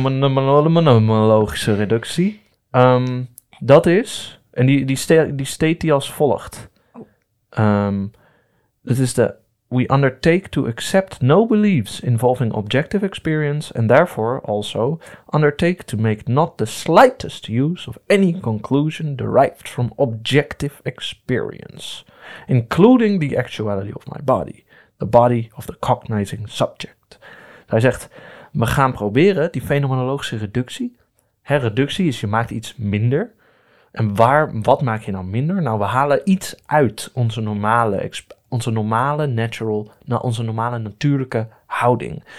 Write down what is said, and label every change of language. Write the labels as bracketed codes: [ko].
[nl] Fenomenologische reductie. Dat is, en die steekt hij als volgt. Het is de... [en] We undertake to accept no beliefs involving objective experience and therefore also undertake to make not the slightest use of any conclusion derived from objective experience, including the actuality of my body, the body of the cognizing subject. [nl] Dus hij zegt, we gaan proberen die fenomenologische reductie. Reductie is, je maakt iets minder. En wat maak je nou minder? Nou, we halen iets uit onze normale experience. Onze normale natuurlijke houding.